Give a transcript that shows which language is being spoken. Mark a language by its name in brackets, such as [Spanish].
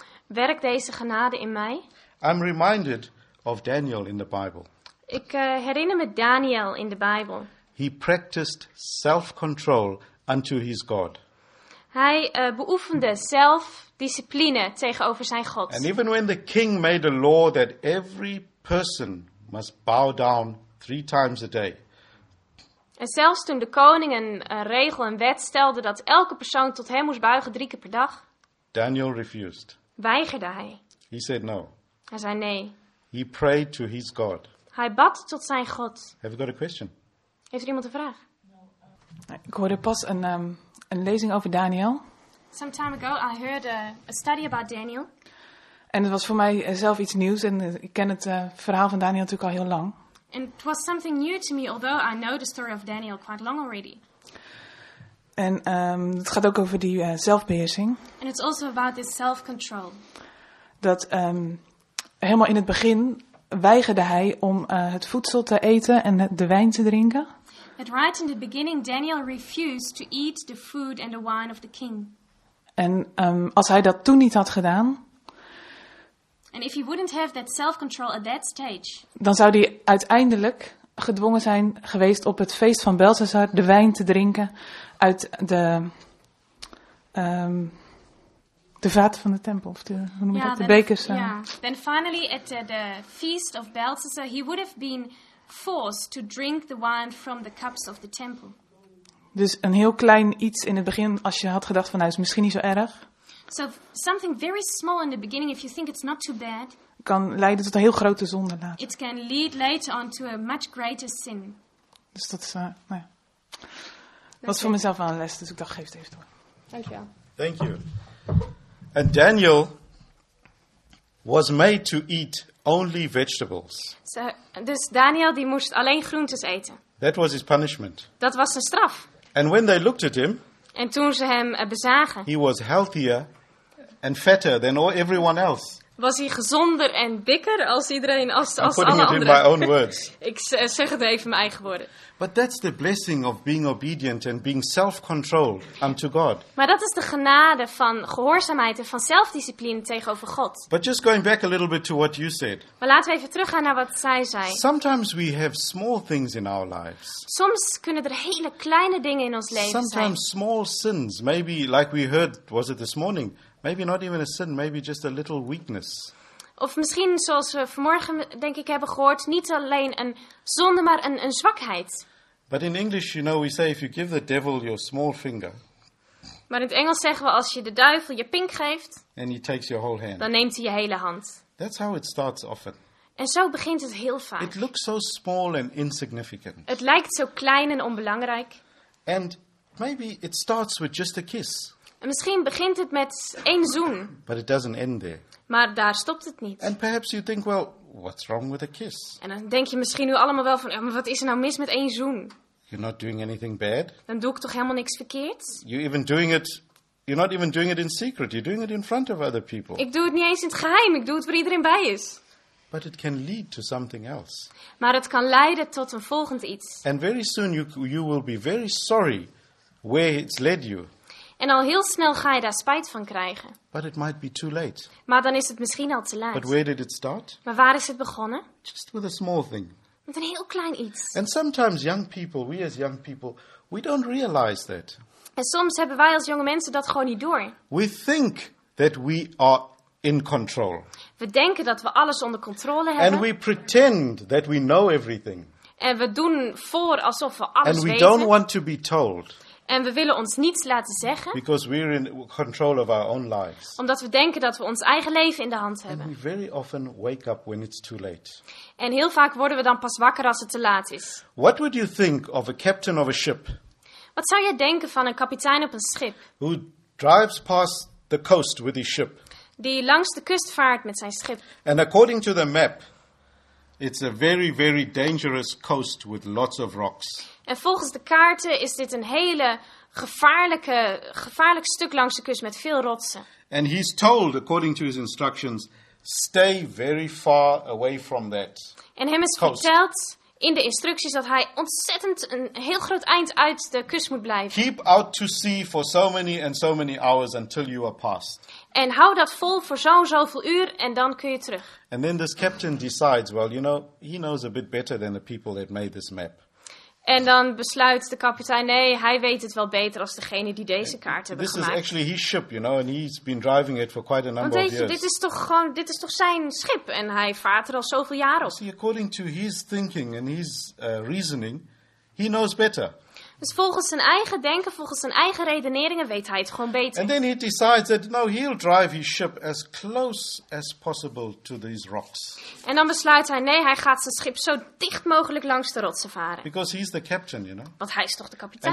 [Dutch] Werkt deze genade in mij? [English] I'm reminded of Daniel in the Bible. [Dutch] Ik herinner me Daniel in de Bijbel. [English] He practiced self-control unto his God. [Dutch] Hij beoefende zelfdiscipline tegenover zijn God. [English] And even when the king made a law that every person must bow down 3 times a day. [Dutch] En zelfs toen de koning een regel, een wet stelde dat elke persoon tot hem moest buigen 3 keer per dag. [English] Daniel refused. [Dutch] Weigerde hij. [English] He said no. [Dutch] Hij zei nee. [English] He prayed to his God. [Dutch] Hij bad tot zijn God. [English] Have you got a question? [Dutch] Heeft er iemand een vraag? Ik hoorde pas een lezing over Daniel. [English] Some time ago I heard a study about Daniel. [Dutch] En het was voor mij zelf iets nieuws en ik ken het verhaal van Daniel natuurlijk al heel lang. [English] And it was something new to me, although I know the story of Daniel quite long already. [Dutch] En het gaat ook over die zelfbeheersing. [English] And it's also about this self-control. [Dutch] Dat helemaal in het begin weigerde hij om het voedsel te eten en de wijn te drinken. [English] But right in the beginning, Daniel refused to eat the food and the wine of the king. [Dutch] En als hij dat toen niet had gedaan, [English] and if he wouldn't have that self-control at that stage, [Dutch] dan zou hij uiteindelijk gedwongen zijn geweest op het feest van Belshazzar de wijn te drinken uit de vaten van de tempel of de, hoe noem je dat, de bekers. [English] Yeah. Then finally at the feast of Belshazzar, he would have been forced to drink the wine from the cups of the temple. [Dutch] Dus een heel klein iets in het begin, als je had gedacht van nou, is misschien niet zo erg. [English] So something very small in the beginning, if you think it's not too bad, [Dutch] kan leiden tot een heel grote zonde later. [English] It can lead later on to a much greater sin. [Dutch] Dus dat is, was voor mezelf wel een les, dus ik dacht, geef het even door. [English] Thank you. And Daniel was made to eat only vegetables. [Dutch] So, dus Daniel die moest alleen groentes eten. [English] That was his punishment. [Dutch] Dat was zijn straf. [English] And when they looked at him, [Dutch] en toen ze hem bezagen, [English] he was healthier and fatter than all everyone else. [Dutch] Was hij gezonder en dikker als iedereen als alle anderen. [English] In my own words. [Dutch] Ik zeg het even mijn eigen woorden. [English] But that's the blessing of being obedient and being self-controlled unto God. [Dutch] Maar dat is de genade van gehoorzaamheid en van zelfdiscipline tegenover God. [English] But just going back a little bit to what you said. [Dutch] Maar laten we even teruggaan naar wat zij zei. [English] Sometimes we have small things in our lives. Soms kunnen er hele kleine dingen in ons leven zijn. Sometimes small sins, maybe like we heard, was it this morning? Maybe not even a sin, maybe just a little weakness. [Dutch] Of misschien zoals we vanmorgen denk ik hebben gehoord, niet alleen een zonde, maar een zwakheid. [English] But in English, you know, we say if you give the devil your small finger. [Dutch] Maar in het Engels zeggen we als je de duivel je pink geeft. [English] And he takes your whole hand. [Dutch] Dan neemt hij je hele hand. [English] That's how it starts often. [Dutch] En zo begint het heel vaak. [English] It looks so small and insignificant. [Dutch] Het lijkt zo klein en onbelangrijk. [English] And maybe it starts with just a kiss. [Dutch] En misschien begint het met 1 zoen. [English] But it doesn't end there. [Dutch] Maar daar stopt het niet. [English] And perhaps you think, well, what's wrong with a kiss? [Dutch] En dan denk je misschien nu allemaal wel van, maar wat is er nou mis met 1 zoen? [English] You're not doing anything bad. [Dutch] Dan doe ik toch helemaal niks verkeerd? [English] You're not even doing it in secret. You're doing it in front of other people. [Dutch] Ik doe het niet eens in het geheim. Ik doe het waar iedereen bij is. [English] But it can lead to something else. [Dutch] Maar het kan leiden tot een volgend iets. [English] And very soon you will be very sorry where it's led you. [Dutch] En al heel snel ga je daar spijt van krijgen. [English] But it might be too late. [Dutch] Maar dan is het misschien al te laat. [English] But where did it start? [Dutch] Maar waar is het begonnen? [English] Just with a small thing. [Dutch] Met een heel klein iets. [English] And sometimes young people, we as young people, we don't realize that. [Dutch] En soms hebben wij als jonge mensen dat gewoon niet door. [English] We think that we are in control. [Dutch] We denken dat we alles onder controle hebben. [English] And we pretend that we know everything. [Dutch] En we doen voor alsof we alles weten. [English] And we don't want to be told. [Dutch] En we willen ons niets laten zeggen. [English] Because we're in control of our own lives. [Dutch] Omdat we denken dat we ons eigen leven in de hand hebben. [English] And we very often wake up when it's too late. [Dutch] En heel vaak worden we dan pas wakker als het te laat is. [English] What would you think of a captain of a ship? [Dutch] Wat zou jij denken van een kapitein op een schip? [English] Who drives past the coast with his ship? [Dutch] Die langs de kust vaart met zijn schip. [English] And according to the map, it's a very, very dangerous coast with lots of rocks. [Dutch] En volgens de kaarten is dit een hele gevaarlijk stuk langs de kust met veel rotsen. [English] And he's told, according to his instructions, stay very far away from that. [Dutch] En hem is verteld in de instructies dat hij ontzettend een heel groot eind uit de kust moet blijven. [English] Keep out to sea for so many and so many hours until you are past. [Dutch] En hou dat vol voor zoveel uur en dan kun je terug. [English] And then this captain decides, well, you know, he knows a bit better than the people that made this map. [Dutch] En dan besluit de kapitein, nee, hij weet het wel beter als degene die deze kaart hebben [English] this [Dutch] gemaakt. [English] This is actually his ship, you know, and he's been driving it for quite a number [Dutch] Want [English] of years. [Dutch] Dit is toch gewoon, dit is toch zijn schip en hij vaart er al zoveel jaren op. [English] See, according to his thinking and his reasoning, he knows better. [Dutch] Dus volgens zijn eigen denken, volgens zijn eigen redeneringen weet hij het gewoon beter. [English] And then he decides that no, he'll drive his ship as close as possible to these rocks. [Dutch] En dan besluit hij, nee, hij gaat zijn schip zo dicht mogelijk langs de rotsen varen. [English] Because he's the captain, you know. [Dutch] Want hij is toch de kapitein.